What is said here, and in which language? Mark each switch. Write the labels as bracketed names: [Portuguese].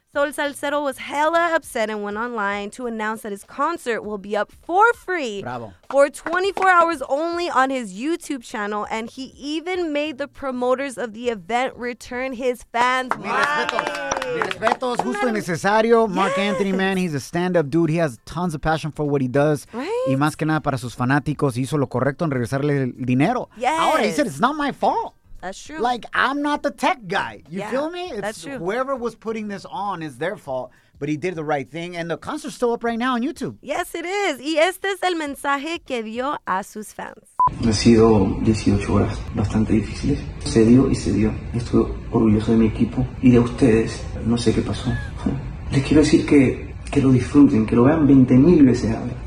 [English] So El Salcero was hella upset and went online to announce that his concert will be up for free. Bravo. For 24 hours only on his YouTube channel. And he even made the promoters of the event return his fans money. [Spanish] Respetos, justo y necesario. [English] Mark Anthony, man, he's a stand-up dude. He has tons of passion for what he does. Right? [Spanish] Y más que nada para sus fanáticos, hizo lo correcto en regresarle el dinero. [English] Yes. Ahora, he said, it's not my fault. That's true. Like, I'm not the tech guy. You feel me? It's that's true. Whoever was putting this on is their fault, but he did the right thing. And the concert's still up right now on YouTube. Yes, it is. [Spanish] Y este es el mensaje que dio a sus fans. Ha sido 18 horas bastante difíciles. Se dio y se dio. Estoy orgulloso de mi equipo y de ustedes. No sé qué pasó. Les quiero decir que lo disfruten, que lo vean 20,000 veces ahora.